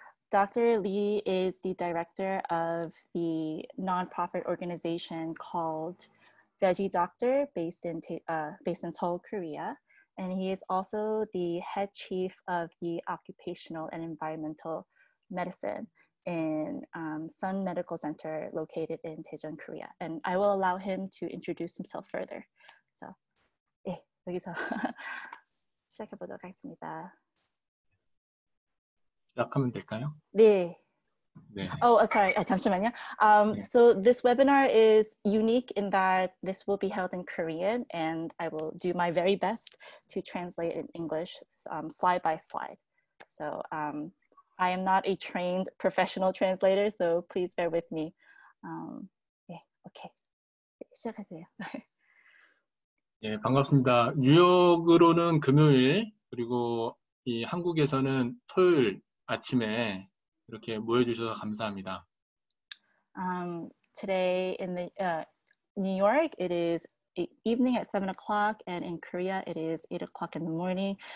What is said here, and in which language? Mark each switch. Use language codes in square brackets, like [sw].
[en] Dr. Lee is the director of the nonprofit organization called Veggie Doctor, based in Seoul, Korea, and he is also the head chief of the occupational and environmental medicine in Sun Medical Center, located in Daejeon, Korea. And I will allow him to introduce himself further. [ko] So, 예, 여기서 시작해보도록 하겠습니다. 시작하면 될까요? 네. 네. [en] Oh, sorry. [ko] 잠시만요. [en] So this webinar is unique in that this will be held in Korean, and I will do my very best to translate in English, slide by slide. So I am not a trained professional translator, so please bear with me. [ko] 네. Okay. 시작하세요. 네, 반갑습니다. 뉴욕으로는 금요일 그리고 이 한국에서는 토요일 아침에 이렇게 모여주셔서 감사합니다. [en] Today in the New York, it is evening at 7 o'clock, and in Korea, it is 8 o'clock in the morning.